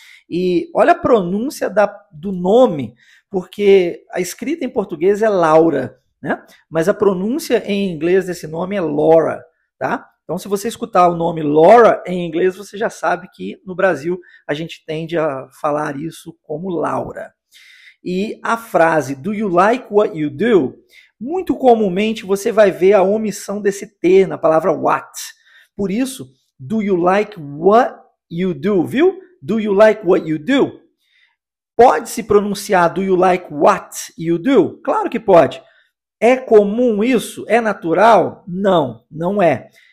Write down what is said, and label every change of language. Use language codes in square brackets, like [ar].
[pt] E olha a pronúncia do nome, porque a escrita em português é Laura, né? Mas a pronúncia em inglês desse nome é Laura, tá? Então, se você escutar o nome Laura em inglês, você já sabe que no Brasil a gente tende a falar isso como Laura. E a frase, [en] do you like what you do? [pt] Muito comumente você vai ver a omissão desse T na palavra what. Por isso, [en] do you like what you do, [pt] viu? [en] Do you like what you do? [pt] Pode-se pronunciar [en] do you like what you do? [pt] Claro que pode. É comum isso? É natural? Não, não é.